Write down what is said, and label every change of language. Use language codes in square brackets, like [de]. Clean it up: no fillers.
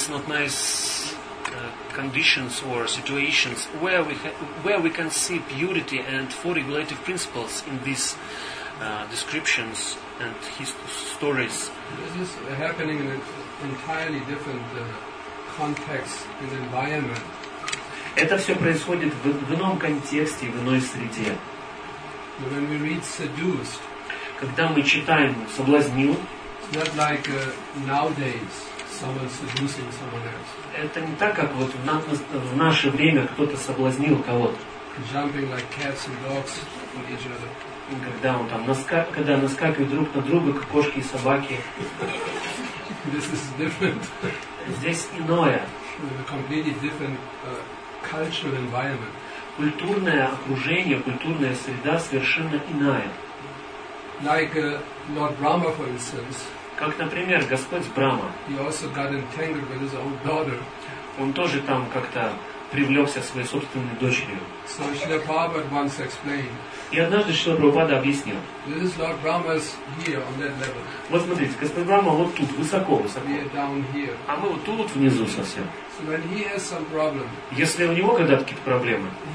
[en] Not nice conditions or situations where we can see purity and four regulative principles in these descriptions and his stories. This is happening in an entirely different context and environment. [ru] Это все происходит в ином контексте, в иной среде. [en] When we read seduced, [ru] когда мы читаем соблазнил, [en] not like nowadays. Someone seducing someone else. [ru] Это не так, как вот в наше время кто-то соблазнил кого-то. [en] Jumping like cats and dogs on each other. [ru] Когда он там когда наскакивает друг на друга, как кошки и собаки. [en] This is different. [ru] Здесь иное. [en] A completely different cultural environment. [ru] Культурное окружение, культурная среда совершенно иная. [en] Like Lord Brahma, for instance. [ru] Как, например, Господь Брама. [en] He also got entangled with his own daughter. [ru] Он тоже там как-то привлекся своей собственной дочерью. [en] So Shrila Prabhupada once explained. [ru] И однажды Шрила Прабхупада объяснил. [en] This is Lord Brahma's here on that level. [ru] Вот смотрите, Господь Брама вот тут, высоко, высоко. [en] We are down here. [ru] А мы вот тут внизу совсем. [en] So when he has some problem, [ru] если у него когда-то какие-то проблемы,